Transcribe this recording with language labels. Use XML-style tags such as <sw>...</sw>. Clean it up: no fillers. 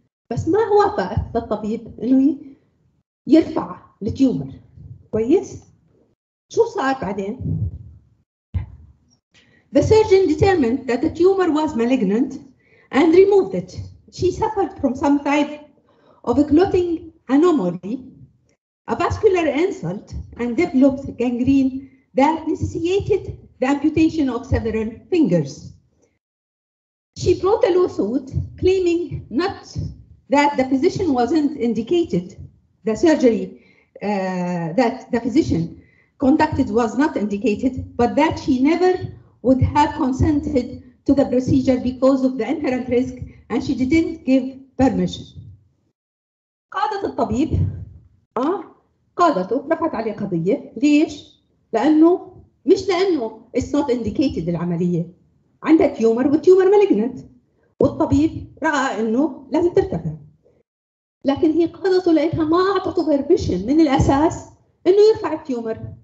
<ar>بس ما وافقت للطبيب انه يرفع التيومر. كويس؟ شو صار بعدين؟</ar> <en>The surgeon determined that the tumor was malignant and removed it. She suffered from some type of a clotting anomaly, a vascular insult, and developed gangrene that necessitated the amputation of several fingers. She brought a lawsuit claiming not that the physician wasn't indicated, the surgery that the physician conducted was not indicated, but that she never would have consented to the procedure because of the inherent risk and she didn't give permission.</en> <ar>قاضة الطبيب قاضته رفعت عليه قضية. ليش؟ لأنه مش لأنه</ar> <en>it's not indicated</en> <ar>العملية. عندها تيومر والتيومر مالجنت. والطبيب رأى أنه لازم ترتفع. لكن هي قاضته لأنها ما أعطته</ar> <en>permission</en> <ar>من الأساس أنه يرفع التيومر.</ar>